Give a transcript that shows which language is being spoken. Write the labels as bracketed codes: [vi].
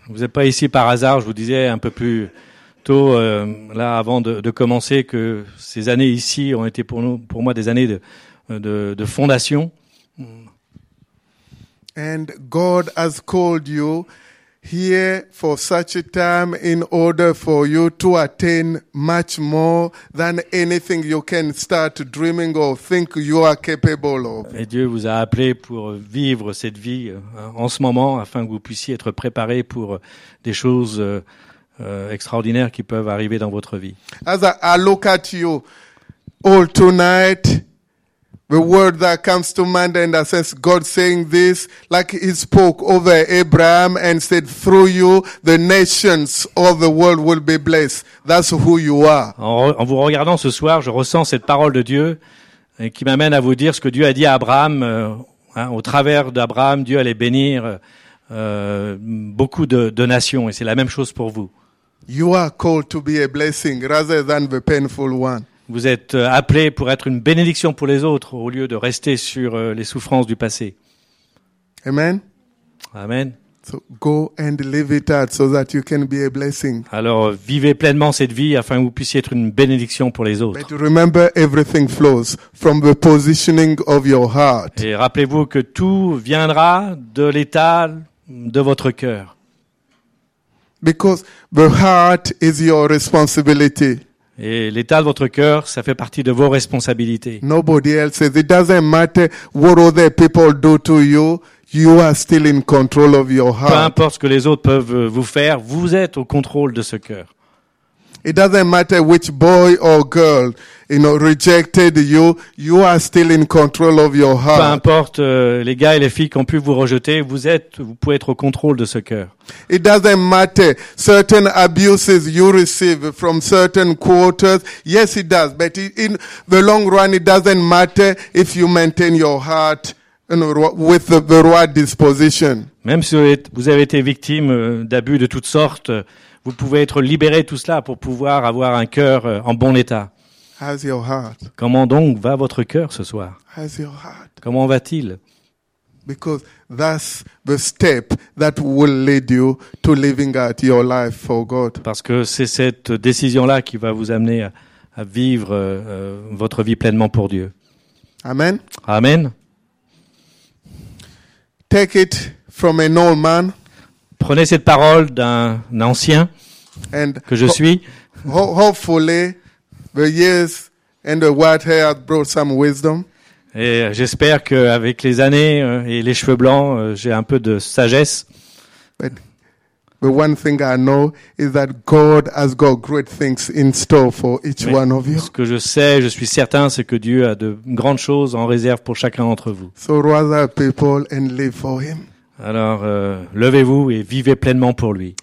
[fr] Vous n'êtes pas ici par hasard. Je vous disais un peu plus tôt, là, avant de commencer, que ces années ici ont été pour moi des années de fondation. [en] And God has called you here for such a time in order for you to attain much more than anything you can start dreaming or think you are capable of. [fr] Et Dieu vous a appelé pour vivre cette vie en ce moment afin que vous puissiez être préparé pour des choses extraordinaires qui peuvent arriver dans votre vie. [en] As I look at you all tonight, the word that comes to mind and I sense God saying this, like he spoke over Abraham and said, through you, the nations of the world will be blessed. That's who you are. [fr] En vous regardant ce soir, je ressens cette parole de Dieu qui m'amène à vous dire ce que Dieu a dit à Abraham. Au travers d'Abraham, Dieu allait bénir beaucoup de nations et c'est la même chose pour vous. [en] You are called to be a blessing rather than the painful one. [fr] Vous êtes appelé pour être une bénédiction pour les autres au lieu de rester sur les souffrances du passé. Amen. Amen. [en] So go and live it out so that you can be a blessing. [fr] Alors vivez pleinement cette vie afin que vous puissiez être une bénédiction pour les autres. [en] But remember, everything flows from the positioning of your heart. [fr] Et rappelez-vous que tout viendra de l'état de votre cœur. [en] Because the heart is your responsibility. [fr] Et l'état de votre cœur, ça fait partie de vos responsabilités. [en] Nobody else says it doesn't matter what other people do to you. You are still in control of your heart. [fr] Peu importe ce que les autres peuvent vous faire, vous êtes au contrôle de ce cœur. [en] It doesn't matter which boy or girl, you know, rejected you. You are still in control of your heart. [fr] Peu importe les gars et les filles qui ont pu vous rejeter, vous pouvez être au contrôle de ce cœur. [en] It doesn't matter certain abuses you receive from certain quarters. Yes, it does. But in the long run, it doesn't matter if you maintain your heart, you know, with the right disposition. [fr] Même si vous avez été victime d'abus de toutes sortes, vous pouvez être libéré de tout cela pour pouvoir avoir un cœur en bon état. [en] How's your heart? [fr] Comment donc va votre cœur ce soir? [en] How's your heart? [fr] Comment va-t-il? [en] Because that's the step that will lead you to living out your life for God. [fr] Parce que c'est cette décision-là qui va vous amener à vivre votre vie pleinement pour Dieu. Amen. Amen. [en] Take it from an old man. [fr] Prenez cette parole d'un ancien [en] and [fr] que je suis. [en] Hopefully, the years and the white hair have brought some wisdom. [fr] Et j'espère que avec les années et les cheveux blancs, j'ai un peu de sagesse. [en] But the one thing I know is that God has got great things in store for each [fr] Mais [en] one of you. [fr] Ce que je sais, je suis certain, c'est que Dieu a de grandes choses en réserve pour chacun d'entre vous. [en] So rise up, people, and live for Him. [fr] Alors, levez-vous et vivez pleinement pour lui.